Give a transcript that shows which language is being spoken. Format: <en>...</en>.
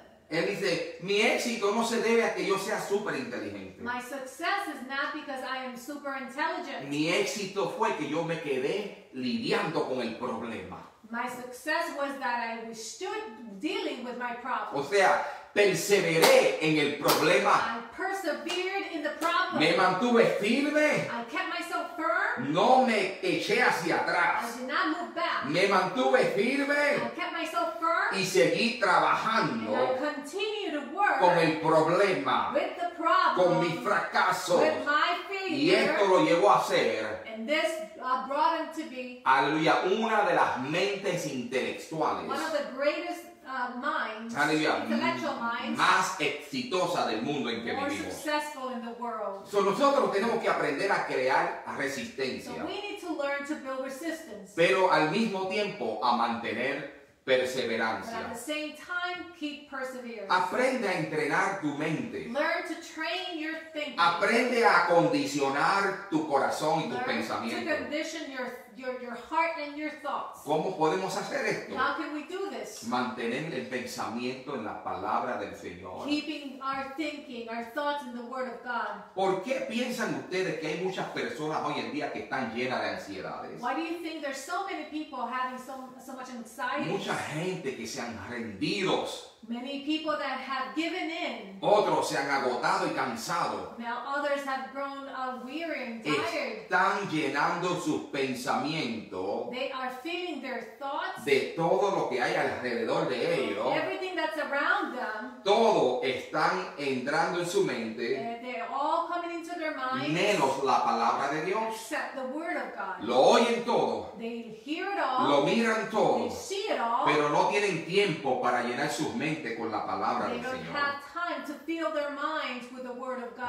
<es>Él dice, mi éxito no se debe a que yo sea super inteligente.</es> <en>My success is not because I am super intelligent.</en> <es>Mi éxito fue que yo me quedé lidiando con el problema.</es> <en>My success was that I stood dealing with my problem.</en> <es>O sea, perseveré en el problema.</es> <en>I persevered in the problem.</en> <es>Me mantuve firme.</es> <en>I kept myself firm.</en> <es>No me eché hacia atrás.</es> <en>I did not move back.</en> <es>Me mantuve firme.</es> <en>I kept myself firm.</en> <es>Y seguí trabajando.</es> <en>And I continued to work.</en> <es>Con el problema.</es> <en>With the problem.</en> <es>Con mi fracaso.</es> <en>With my failure.</en> <es>Y esto lo llevó a ser.</es> <en>And this brought him to be.</en> <es>Aleluya, una de las mentes intelectuales.</es> <en>One of the greatest minds,</en> <es>aleluya,</es> <en>intellectual minds,</en> <es>más exitosa del mundo en que</es> <en>more</en> <es>vivimos.</es> <en>Successful in the world.</en> <es>So nosotros tenemos que aprender a crear resistencia.</es> <en>So we need to learn to build resistance.</en> <es>Pero al mismo tiempo a mantener perseverancia.</es> <en>But at the same time, keep perseverance.</en> <es>Aprende a entrenar tu mente.</es> <en>Learn to train your thinking.</en> <es>Aprende a condicionar tu corazón y tus pensamientos.</es> <en>Learn to condition your heart and your thoughts.</en> <es>¿Cómo podemos hacer esto?</es> <en>How can we do this?</en> <es>Mantener el pensamiento en la palabra del Señor.</es> <en>Keeping our thinking, our thoughts in the Word of God.</en> <es>¿Por qué piensan ustedes que hay muchas personas hoy en día que están llenas de ansiedades?</es> <en>Why do you think there's so many people having so much anxiety?</en> <es>Mucha gente que se han rendido.</es> <en>Many people that have given in.</en> <es>Otros se han agotado y cansado.</es> <en>Now others have grown weary and tired.</en> <es>Están llenando sus pensamientos.</es> <en>They are filling their thoughts.</en> <es>De todo lo que hay alrededor de ellos.</es> <en>Everything that's around them.</en> <es>Todo están entrando en su mente.</es> <en>They're all coming into their minds.</en> <es>Menos la palabra de Dios.</es> <en>Except the word of God.</en> <es>Lo oyen todo.</es> <en>They hear it all.</en> <es>Lo miran todo.</es> <en>They see it all.</en> <es>Pero no tienen tiempo para llenar sus mente con la palabra</es> <en>they</en> <es>del Señor.</es> <en>They don't have time to fill their minds with the word of God.</en>